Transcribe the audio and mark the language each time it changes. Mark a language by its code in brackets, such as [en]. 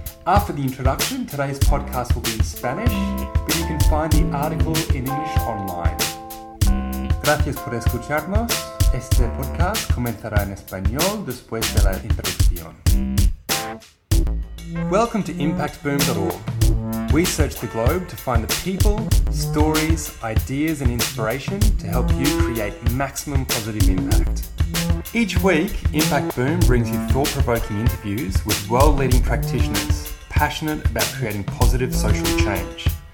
[en] After the introduction, today's podcast will be in Spanish, but you can find the article in English online. [es] Gracias por escucharnos. Este podcast comenzará en español después de la introducción. [en] Welcome to ImpactBoom.org. We search the globe to find the people, stories, ideas, and inspiration to help you create maximum positive impact. Each week, Impact Boom brings you thought-provoking interviews with world-leading practitioners passionate about creating positive social change.